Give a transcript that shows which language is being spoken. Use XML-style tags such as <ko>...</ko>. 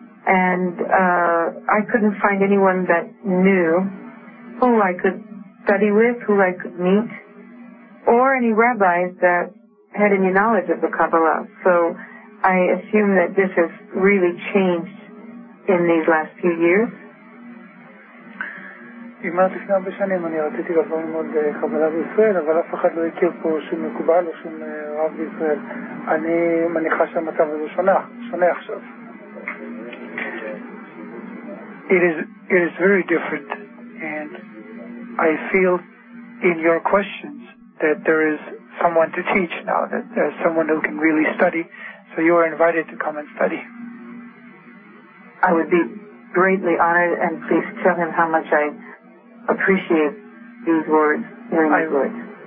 <en>And I couldn't find anyone that knew who I could study with, who I could meet, or any rabbis that had any knowledge of the Kabbalah. So I assume that this has really changed in these last few years.</en> <he>היא אומרת, לפני הרבה שנים אני רציתי לבוא ללמוד קבלה בישראל, אבל אף אחד לא הכיר פה שום מקובל או שום רב בישראל. אני מניחה שהמצב הזה שונה עכשיו.</he> <en>It is very different, and I feel in your questions that there is someone to teach now, that there's someone who can really study, so you are invited to come and study. I would be greatly honored, and please tell him how much I appreciate these words hearing his words.</en>